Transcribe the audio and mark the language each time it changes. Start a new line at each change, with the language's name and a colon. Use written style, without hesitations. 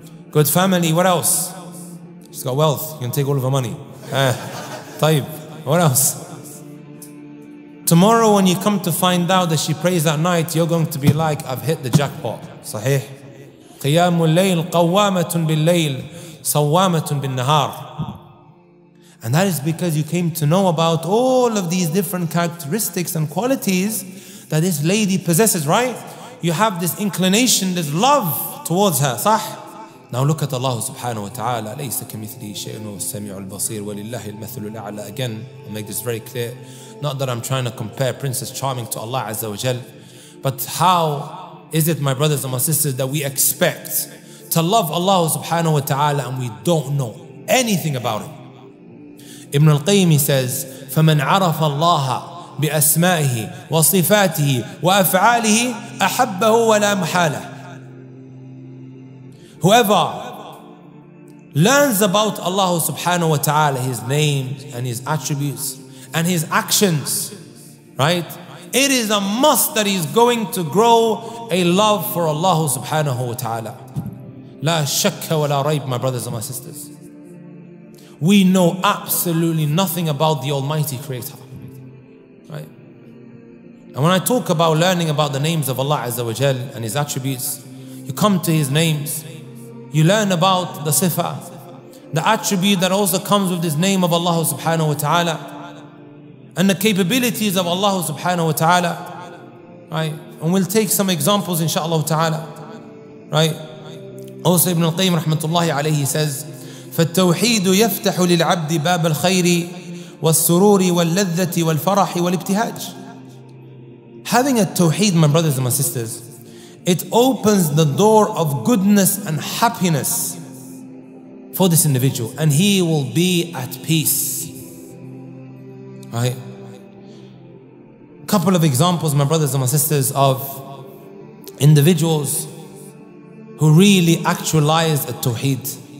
English: Good family. What else? She's got wealth. You can take all of her money. Taib. What else? Tomorrow when you come to find out that she prays at night, you're going to be like, I've hit the jackpot.
Arabic: Sahih. قيام الليل قوامة بالليل صوامة بالنهار.
English: And that is because you came to know about all of these different characteristics and qualities that this lady possesses, right? You have this inclination, this love towards her.
Arabic: صح.
English: Now look at Allah subhanahu wa ta'ala.
Arabic: ليس كمثله شيء هو السميع البصير ولله المثل الأعلى.
English: Again, I'll make this very clear. Not that I'm trying to compare Princess Charming to Allah Azza wa Jal, but how is it, my brothers and my sisters, that we expect to love Allah subhanahu wa ta'ala and we don't know anything about Him? Ibn al-Qayyim says,
Arabic: فَمَنْ عَرَفَ اللَّهَ بِأَسْمَائِهِ وَصِفَاتِهِ وَأَفْعَالِهِ أَحَبَّهُ وَلَا مُحَالَهُ.
English: Whoever learns about Allah subhanahu wa ta'ala, His name and His attributes and His actions, right? It is a must that he's going to grow a love for Allah subhanahu wa ta'ala.
Arabic: لا شك ولا ريب,
English: my brothers and my sisters. We know absolutely nothing about the Almighty Creator, right? And when I talk about learning about the names of Allah Azza wa Jal and His attributes, you come to His names, you learn about the sifa, the attribute that also comes with this name of Allah subhanahu wa ta'ala, and the capabilities of Allah subhanahu wa ta'ala, right? And we'll take some examples inshaAllah ta'ala, right? Also Ibn al-Qayyim rahmatullahi alayhi says,
Arabic: فَالتَّوْحِيدُ يَفْتَحُ لِلْعَبْدِ بَابَ الْخَيْرِ وَالسُّرُورِ وَاللَّذَّةِ وَالْفَرَحِ وَالْإِبْتِهَاجِ.
English: Having a tawheed, my brothers and my sisters, it opens the door of goodness and happiness for this individual, and he will be at peace. Right? Couple of examples, my brothers and my sisters, of individuals who really actualized a tawheed.